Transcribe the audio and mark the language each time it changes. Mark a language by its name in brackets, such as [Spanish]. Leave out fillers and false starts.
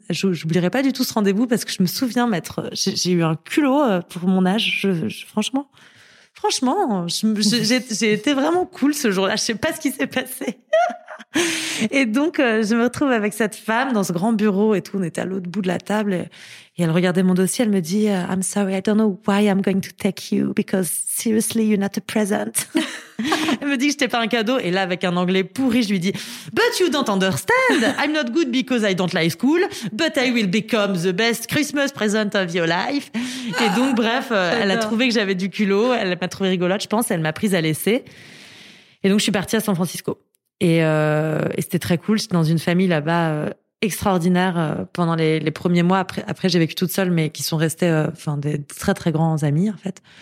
[French] J'oublierai pas du tout ce rendez-vous parce que je me souviens m'être, j'ai eu un culot pour mon âge. J'ai été vraiment cool ce jour-là. Je sais pas ce qui s'est passé. Et donc, je me retrouve avec cette femme dans ce grand bureau et tout. On était à l'autre bout de la table et elle regardait mon dossier. Elle me dit, [English] I'm sorry, I don't know why I'm going to take you because seriously, you're not a present. [French] Elle me dit que j'étais pas un cadeau. Et là, avec un anglais pourri, je lui dis, [English] but you don't understand. I'm not good because I don't like school, but I will become the best Christmas present of your life. [French] Et donc, bref, elle a trouvé que j'avais du culot. Elle m'a trouvé rigolote, je pense. Elle m'a prise à l'essai. Et donc, je suis partie à San Francisco. Et c'était très cool. J'étais dans une famille là-bas extraordinaire pendant les premiers mois. Après, j'ai vécu toute seule, mais qui sont restés des très, très grands amis, en fait.